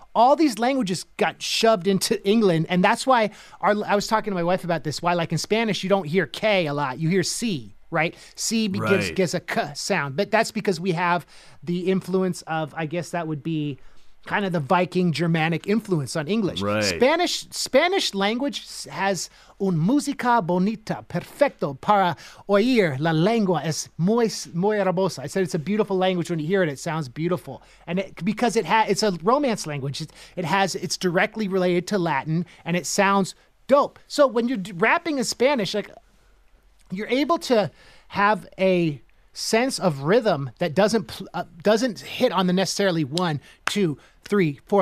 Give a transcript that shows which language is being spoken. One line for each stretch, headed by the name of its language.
English: All these languages got shoved into England. And that's why I was talking to my wife about this, why like in Spanish, you don't hear K a lot. You hear C, right? C gives a K sound. But that's because we have the influence of, I guess that would be kind of the Viking Germanic influence on English. Right. Spanish language has
Spanish: un música bonita, perfecto para oír la lengua es muy hermosa.
English: I said it's a beautiful language when you hear it. It sounds beautiful, and it's a Romance language. It's directly related to Latin, and it sounds dope. So when you're rapping in Spanish, like you're able to have a sense of rhythm that doesn't hit on the necessarily 1, 2, 3, 4.